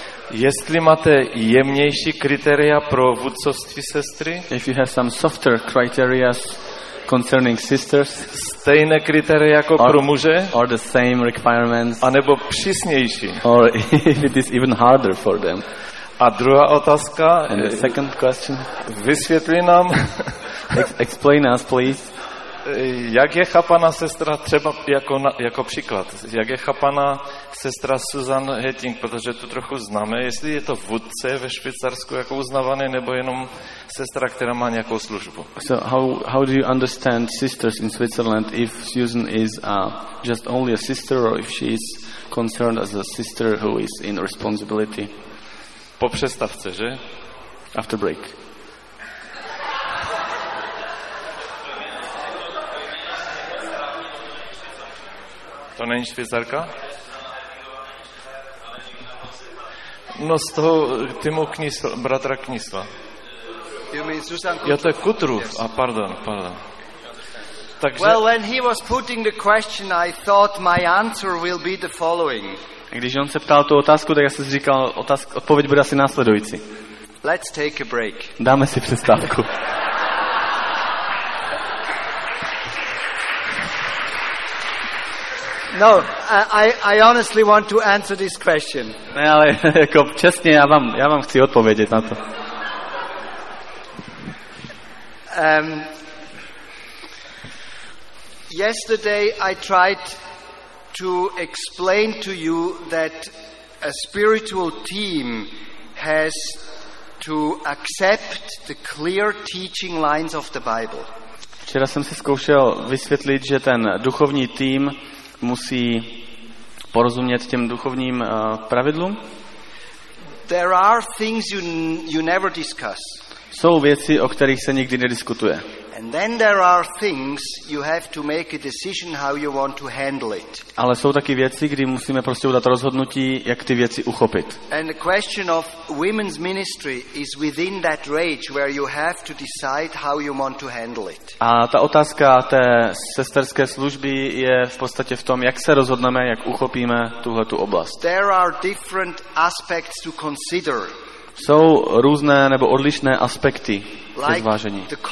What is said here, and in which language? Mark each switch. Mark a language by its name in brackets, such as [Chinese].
[Czech] Jestli máte jemnější kritéria pro vůdcovství sestry? [English] If you have some softer criteria concerning sisters? [Czech] Stejné kritéria jako pro muže? [English] Or the same requirements? [Czech] A nebo přísnější? [English] Or if it is even harder for them? [Czech] A druhá otázka? [English] And the second question? [Czech] Vysvětli nám. [English] Explain us, please. [Czech] Jak je chápaná sestra třeba jako příklad? Jak je chápaná sestra Susan Hetting, protože tu trochu známe, jestli je to vůdce ve Švýcarsku jako uznávané, nebo jenom sestra, která má nějakou službu? [English] So how do you understand sisters in Switzerland if Susan is just only a sister or if she is concerned as a sister who is in responsibility? [Czech] Po přestavce, že? [English] After break. [Czech] To není švýcarka? No z toho týmu Knísla, bratra Knísla. Jo, to je Kutrův. [English] Yes. [Czech] Pardon. Takže... [English] Well, when he was putting the question, I thought my answer will be the following. [Czech] Když on se ptal tu otázku, tak já jsem říkal, odpověď bude asi následující. [English] Let's take a break. [Czech] Dáme si přestávku. [English] No, I honestly want to answer this question. [Czech] Ne, ale jako čestně, já vám chci odpovědět na to. [English] Yesterday I tried to explain to you that a spiritual team has to accept the clear teaching lines of the Bible. [Czech] Včera jsem si zkoušel vysvětlit, že ten duchovní tým musí porozumět těm duchovním pravidlům. [English] There are things you never discuss. [Czech] Jsou věci, o kterých se nikdy nediskutuje. [English] And then there are things you have to make a decision how you want to handle it. [Czech] Ale jsou taky věci, kdy musíme prostě udat rozhodnutí, jak ty věci uchopit. [English] And the question of women's ministry is within that range where you have to decide how you want to handle it. [Czech] A ta otázka té sesterské služby je v podstatě v tom, jak se rozhodneme, jak uchopíme tuhle tu oblast. [English] There are different aspects to consider. [Czech] Jsou různé nebo odlišné aspekty ke zvážení.